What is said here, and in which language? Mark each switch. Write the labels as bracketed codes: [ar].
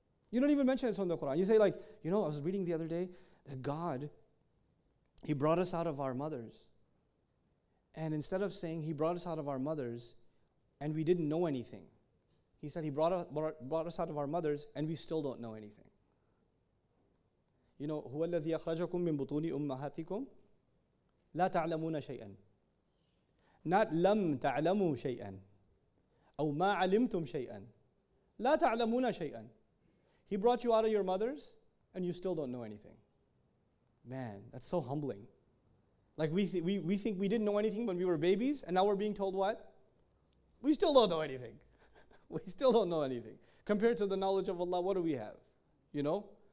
[en] You don't even mention this from the Quran. You say, like, you know, I was reading the other day that God, He brought us out of our mothers. And instead of saying He brought us out of our mothers and we didn't know anything, He said He brought us out of our mothers and we still don't know anything. You know, [ar] هو الذي أخرجكم من بطون أمهاتكم لا تعلمون شيئا. [en] Not [ar] لم تعلموا شيئا. أو ما علمتم شيئا. لا تعلمون شيئا. [en] He brought you out of your mothers, and you still don't know anything. Man, that's so humbling. Like, we think we didn't know anything when we were babies, and now we're being told what? We still don't know anything. We still don't know anything. Compared to the knowledge of Allah, what do we have? You know?